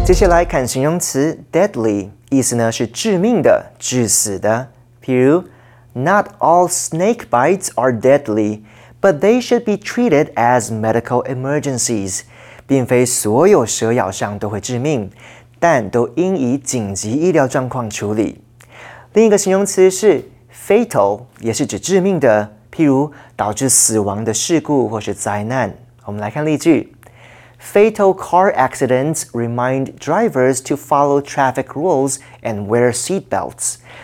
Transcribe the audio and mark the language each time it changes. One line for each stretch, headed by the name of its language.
English: Deadly.
Chinese: 意思呢是致命的,致死的, 譬如,
English: not all snake bites are deadly, but they should be treated as medical emergencies.
Chinese: 并非所有蛇咬伤都会致命, 但都应以紧急医疗状况处理。另一个形容词是fatal, 也是指致命的, 譬如导致死亡的事故或是灾难。我们来看例句。
English: Fatal car accidents remind drivers to follow traffic rules and wear seatbelts.